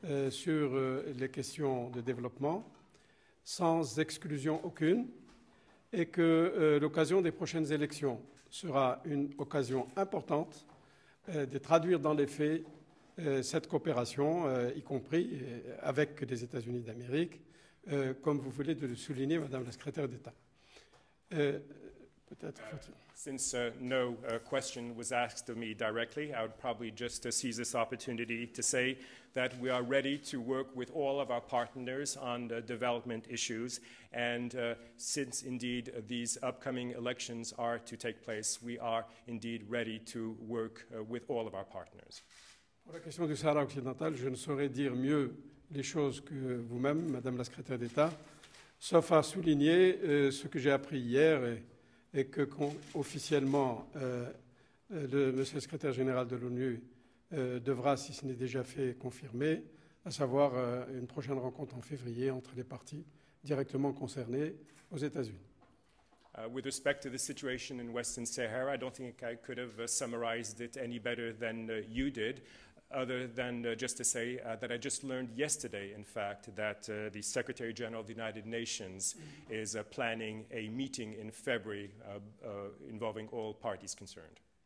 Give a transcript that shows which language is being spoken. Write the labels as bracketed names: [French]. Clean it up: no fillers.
[French] sur les questions de développement sans exclusion aucune et que l'occasion des prochaines élections sera une occasion importante de traduire dans les faits cette coopération, y compris avec les États-Unis d'Amérique, comme vous voulez de le souligner, Madame la Secrétaire d'État. Peut-être. [English] Since no question was asked of me directly, I would probably just seize this opportunity to say that we are ready to work with all of our partners on the development issues. And since indeed these upcoming elections are to take place, we are indeed ready to work with all of our partners. [French] Pour la question du Sahara occidental, je ne saurais dire mieux les choses que vous-même, Madame la Secrétaire d'État, sauf à souligner ce que j'ai appris hier et que officiellement le Monsieur le Secrétaire général de l'ONU devra, si ce n'est déjà fait, confirmer, à savoir une prochaine rencontre en février entre les parties directement concernées aux États-Unis. [English] With respect to the situation in Western Sahara, I don't think I could have summarized it any better than you did. Other than just to say that I just learned yesterday, in fact, that the Secretary General of the United Nations is planning a meeting in February involving all parties concerned.